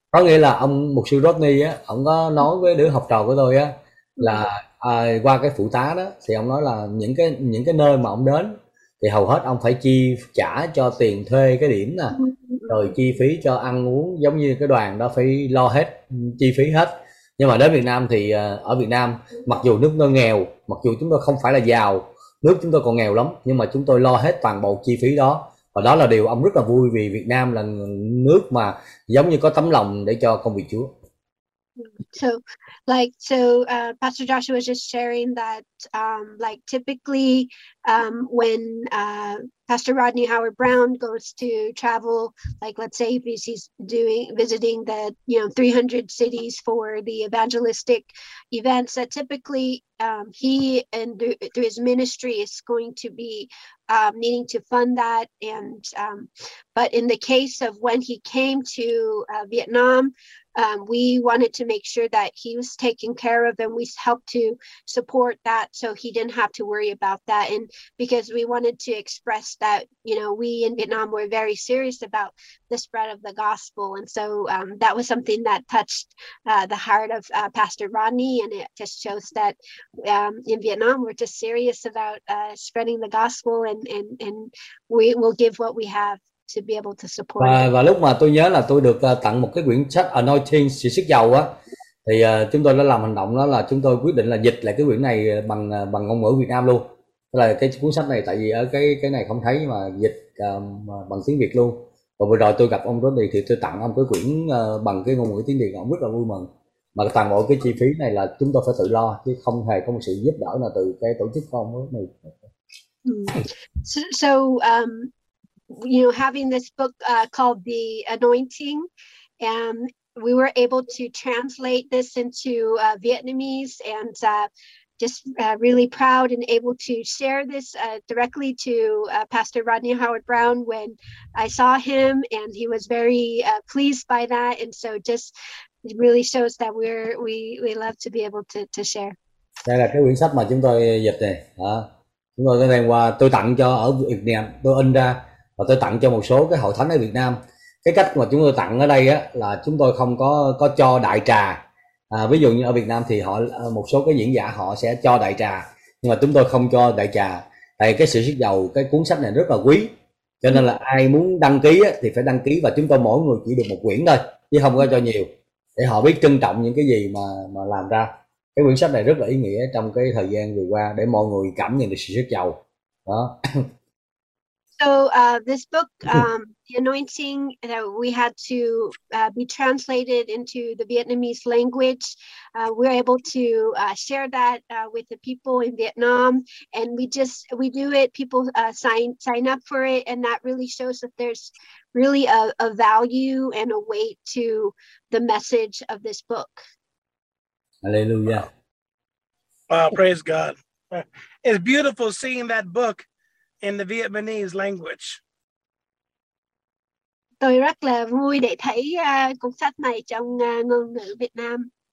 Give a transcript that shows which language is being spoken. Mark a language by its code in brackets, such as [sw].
[vi] Có nghĩa là ông mục sư Rodney á, ông có nói với đứa học trò của tôi á là qua cái phụ tá đó, thì ông nói là những cái nơi mà ông đến thì hầu hết ông phải chi trả cho tiền thuê cái điểm nè, rồi chi phí cho ăn uống, giống như cái đoàn đó phải lo hết chi phí hết. Nhưng mà đến Việt Nam thì ở Việt Nam, mặc dù nước nó nghèo, mặc dù chúng tôi không phải là giàu, nước chúng tôi còn nghèo lắm, nhưng mà chúng tôi lo hết toàn bộ chi phí đó. Và đó là điều ông rất là vui vì Việt Nam là nước mà giống như có tấm lòng để cho công việc Chúa. [en] So, like, so Pastor Joshua was just sharing that, like, typically when Pastor Rodney Howard Brown goes to travel, like, let's say he's visiting the, you know, 300 cities for the evangelistic events, that typically he and through his ministry is going to be needing to fund that. And but in the case of when he came to Vietnam, we wanted to make sure that he was taken care of, and we helped to support that so he didn't have to worry about that. And because we wanted to express that, you know, we in Vietnam were very serious about the spread of the gospel. And so that was something that touched the heart of Pastor Rodney. And it just shows that in Vietnam, we're just serious about spreading the gospel, and we will give what we have to be able to support. [vi] Và lúc mà tôi nhớ là tôi được tặng một cái quyển sách Anointing, sự sức dầu á, Thì chúng tôi đã làm hành động đó là chúng tôi quyết định là dịch lại cái quyển này bằng bằng ngôn ngữ Việt Nam luôn. Tức là cái cuốn sách này, tại vì ở cái này không thấy mà dịch bằng tiếng Việt luôn. Và vừa rồi tôi gặp ông Rodney thì tôi tặng ông cái quyển bằng cái ngôn ngữ tiếng Việt, ông rất là vui mừng. Mà toàn bộ cái chi phí này là chúng tôi phải tự lo chứ không hề có một sự giúp đỡ nào từ cái tổ chức của ông Rodney. [en] You know, having this book called The Anointing, we were able to translate this into Vietnamese, and just really proud and able to share this directly to Pastor Rodney Howard Brown when I saw him, and he was very pleased by that. And so just really shows that we love to be able to share. [vi] Đây là cái quyển sách mà chúng tôi dịch này đó. Chúng tôi cái này qua tôi tặng cho ở Việt Nam, tôi in ra và tôi tặng cho một số cái hội thánh ở Việt Nam. Cái cách mà chúng tôi tặng ở đây á là chúng tôi không có cho đại trà. Ví dụ như ở Việt Nam thì họ một số cái diễn giả họ sẽ cho đại trà, nhưng mà chúng tôi không cho đại trà. Tại cái sự sức dầu cái cuốn sách này rất là quý, cho nên là ai muốn đăng ký á, thì phải đăng ký, và chúng tôi mỗi người chỉ được một quyển thôi chứ không có cho nhiều, để họ biết trân trọng những cái gì mà làm ra. Cái quyển sách này rất là ý nghĩa trong cái thời gian vừa qua để mọi người cảm nhận được sự sức giàu đó. [en] This book, The Anointing, we had to be translated into the Vietnamese language. We're able to share that with the people in Vietnam, and we do it. People sign up for it, and that really shows that there's really a value and a weight to the message of this book. Hallelujah. Wow, praise God. It's beautiful seeing that book in the Vietnamese language. [vi] Tôi rất là vui để thấy cuốn sách này trong ngôn ngữ Việt Nam.